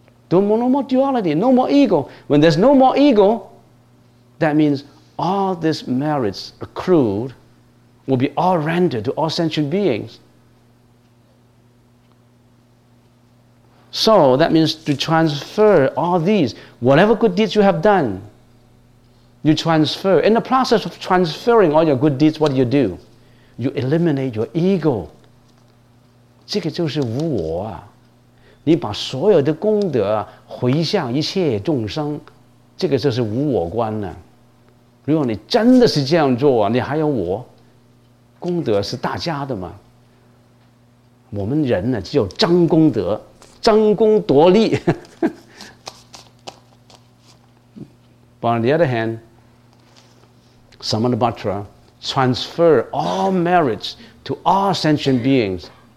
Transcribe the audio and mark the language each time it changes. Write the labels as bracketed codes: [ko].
[en] No more duality, no more ego. When there's no more ego, that means all these merits accrued will be all rendered to all sentient beings. So that means to transfer all these, whatever good deeds you have done, you transfer. In the process of transferring all your good deeds, what do? You eliminate your ego. [zh] 这个就是无我啊, 你把所有的功德回向一切众生, 这个就是无我观啊。如果你真的是这样做啊, 你还有我, 功德是大家的嘛。我们人呢, 只有张功德, 张功夺利。 [en] But on the other hand, Samana Bhatra transfer all merits to all sentient beings.